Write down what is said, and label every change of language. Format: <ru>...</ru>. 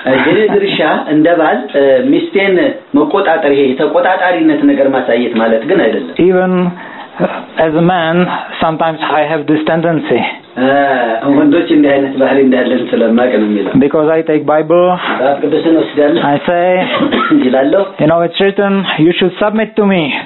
<am>እግዚአብሔርሽ እንደባል ሚስቴን መቆጣጠር ይሄ ተቆጣጣሪነት ነገር ማሳየት ማለት ግን አይደለም.</am> <en>Even as a man sometimes I have this tendency.</en> <am>ወንዶች እንደ አይነት ባህሪ እንዳለን ስለማቀ ነው የሚለው.</am> <en>Because I take Bible. I say</en> <am>ይላለሁ.</am> <en>You know it's written you should submit to me.</en>